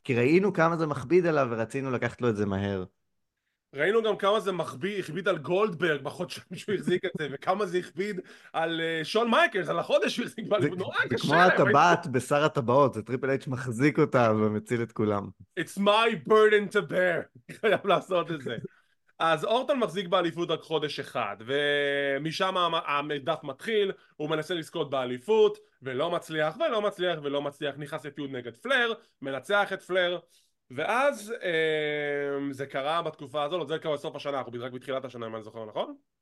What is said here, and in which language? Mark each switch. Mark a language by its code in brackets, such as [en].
[he] כי ראינו כמה זה מכביד עליו ורצינו לקחת לו את זה מהר. ראינו גם כמה זה הכביד על גולדברג בחודשיים שהוא החזיק את זה, וכמה זה הכביד על שון מייקלס, על החודש שהוא החזיק בה, נורא קשה. זה כמו הטבעת בשר הטבעות, זה טריפל אייץ' מחזיק אותה ומציל את כולם. [en] It's my burden to bear, [he] חייב לעשות את זה. אז אורטון מחזיק באליפות רק חודש אחד, ומשם המדף מתחיל, הוא מנסה לזכות באליפות, ולא מצליח, ולא מצליח, ולא מצליח, נכנס לפיוד נגד פלר, מנצח את פלר, ואז זה קרה בתקופה הזו, זה קרה בסוף השנה, אנחנו רק בתחילת השנה, אם אני זוכר, נכון?